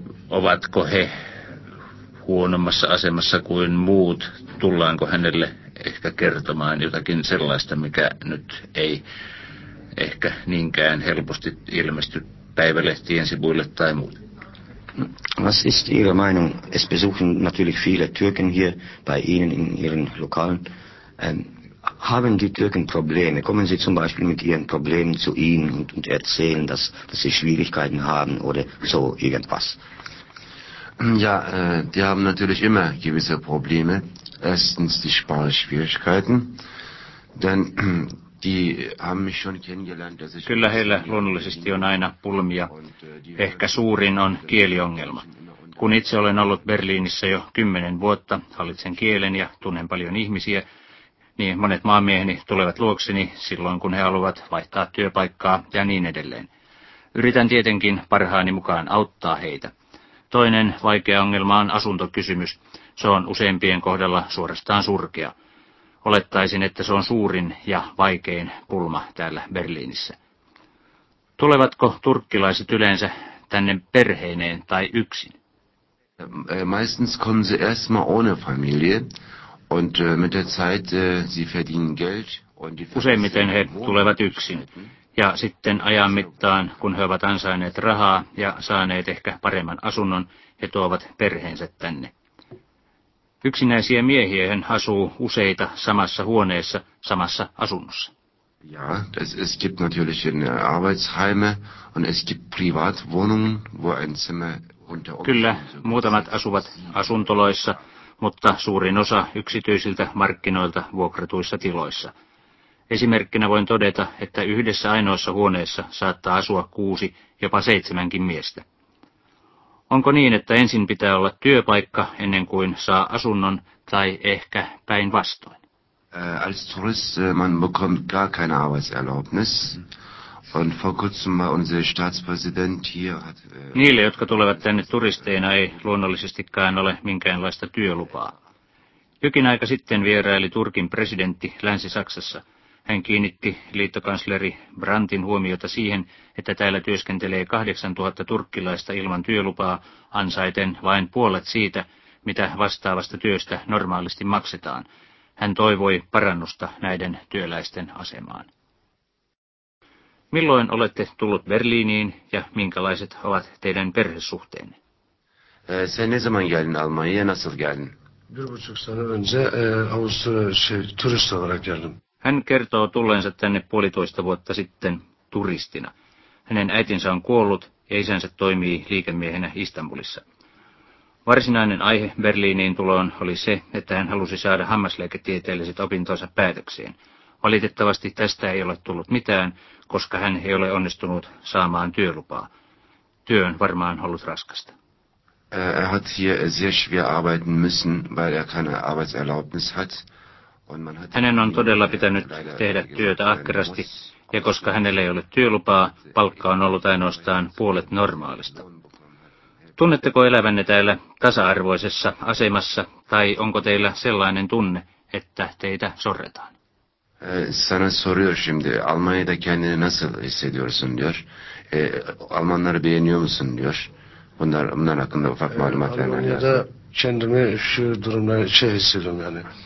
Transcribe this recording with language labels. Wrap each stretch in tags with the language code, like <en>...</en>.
<fi>Ovatko he huonommassa asemassa kuin muut? Tullaanko hänelle ehkä kertomaan jotakin sellaista, mikä nyt ei ehkä niinkään helposti ilmesty päivälehtien sivuille tai muuten?</fi> <de>Was ist Ihre Meinung? Es besuchen natürlich viele Türken hier bei Ihnen in Ihren Lokalen. Haben die Türken Probleme? Kommen Sie zum Beispiel mit Ihren Problemen zu Ihnen und erzählen, dass Sie Schwierigkeiten haben oder so irgendwas? Ja, die haben natürlich immer gewisse Probleme. Erstens die Sprachschwierigkeiten, denn die haben mich schon kennengelernt, dass ich...</de> <fi>Kyllä heillä luonnollisesti on aina pulmia. Ehkä suurin on kieliongelma. Kun itse olen ollut Berliinissä jo 10 vuotta, hallitsen kielen ja tunnen paljon ihmisiä, niin monet maamieheni tulevat luokseni silloin, kun he haluavat vaihtaa työpaikkaa ja niin edelleen. Yritän tietenkin parhaani mukaan auttaa heitä. Toinen vaikea ongelma on asuntokysymys. Se on useimpien kohdalla suorastaan surkea. Olettaisin, että se on suurin ja vaikein pulma täällä Berliinissä. Tulevatko turkkilaiset yleensä tänne perheineen tai yksin?</fi> <de>Meistens kommen sie erstmal ohne Familie. Und mit der Zeit sie verdienen Geld.</de> <fi>Useimmiten he tulevat yksin. Ja sitten ajan mittaan, kun he ovat ansainneet rahaa ja saaneet ehkä paremman asunnon, he tuovat perheensä tänne. Yksinäisiä miehiä hän asuu useita samassa huoneessa, samassa asunnossa.</fi> <de>Ja, es gibt natürlich Arbeitsheime und es gibt Privatwohnungen, wo ein Zimmer unter...</de> <fi>Kyllä, muutamat asuvat asuntoloissa, mutta suurin osa yksityisiltä markkinoilta vuokratuissa tiloissa. Esimerkkinä voin todeta, että yhdessä ainoassa huoneessa saattaa asua 6, jopa 7 miestä. Onko niin, että ensin pitää olla työpaikka ennen kuin saa asunnon, tai ehkä päinvastoin?</fi> <de>Als Tourist man bekommt gar keine Arbeitserlaubnis. Und vor kurzem war unser Staatspräsident hier hat...</de> <fi>Niille, jotka tulevat tänne turisteina, ei luonnollisestikaan ole minkäänlaista työlupaa. Jokin aika sitten vieraili Turkin presidentti Länsi-Saksassa. Hän kiinnitti liittokansleri Brandtin huomiota siihen, että täällä työskentelee 8000 turkkilaista ilman työlupaa, ansaiten vain puolet siitä, mitä vastaavasta työstä normaalisti maksetaan. Hän toivoi parannusta näiden työläisten asemaan. Milloin olette tullut Berliiniin ja minkälaiset ovat teidän perhesuhteenne?</fi> <tr>Sen ne zaman geldin Almanya'ya, nasıl geldin? 1,5 önce turist olarak geldim.</tr> <fi>Hän kertoo tulleensa tänne 1,5 vuotta sitten turistina. Hänen äitinsä on kuollut ja isänsä toimii liikemiehenä Istanbulissa. Varsinainen aihe Berliiniin tuloon oli se, että hän halusi saada hammaslääketieteelliset opintonsa päätökseen. Valitettavasti tästä ei ole tullut mitään, koska hän ei ole onnistunut saamaan työlupaa. Työ on varmaan ollut raskasta.</fi> <de>Er hat hier sehr schwer arbeiten müssen, weil er keine Arbeitserlaubnis hat.</de> <fi>Hänen on todella pitänyt tehdä työtä ahkerasti, ja koska hänellä ei ole työlupaa, palkka on ollut ainoastaan puolet normaalista. Tunnetteko elävänne täällä tasa-arvoisessa asemassa, tai onko teillä sellainen tunne, että teitä sorretaan?</fi> <tr>Sana soruyor şimdi, Almanya'da kendini nasıl hissediyorsun diyor. Almanları beğeniyor musun diyor. Bunlar hakkında ufak malumat vermen lazım. Almanya'da kendimi şu durumda şey hissediyorum yani.</tr>